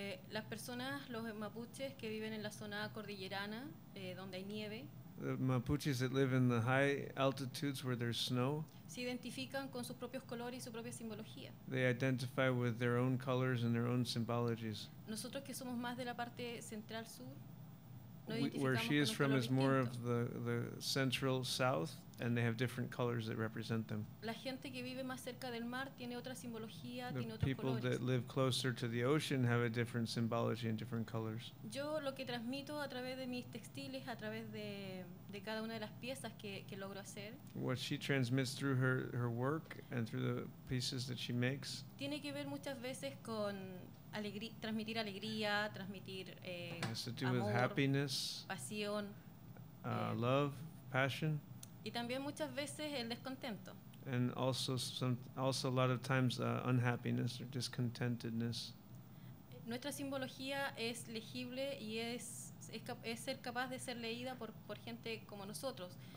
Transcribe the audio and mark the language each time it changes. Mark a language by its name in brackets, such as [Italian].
[Spanish] Las personas, los mapuches que viven en la zona cordillerana, donde hay nieve. [English] The Mapuches that live in the high altitudes where there's snow, [Spanish] se identifican con sus propios colores y su propia simbología. [English] They identify with their own colors and their own symbologies. [Spanish] Nosotros que somos más de la parte central sur, no identificamos. [English] Where she is from is more of the central south, and they have different colors that represent them. [Spanish] La gente que vive más cerca del mar tiene otra simbología, tiene otros colores. [English] The people that live closer to the ocean have a different symbology and different colors. [Spanish] Yo lo que transmito a través de mis textiles, a través de cada una de las piezas que logro hacer. [English] What she transmits through her work and through the pieces that she makes. [Spanish] Tiene que ver muchas veces con transmitir alegría, transmitir [English] has to do with happiness, [Spanish] pasión, [English] love, passion, [Spanish] y también muchas veces el descontento, [English] and also a lot of times unhappiness or discontentedness. [Spanish] Nuestra simbología es legible y es ser capaz de ser leída por gente como nosotros.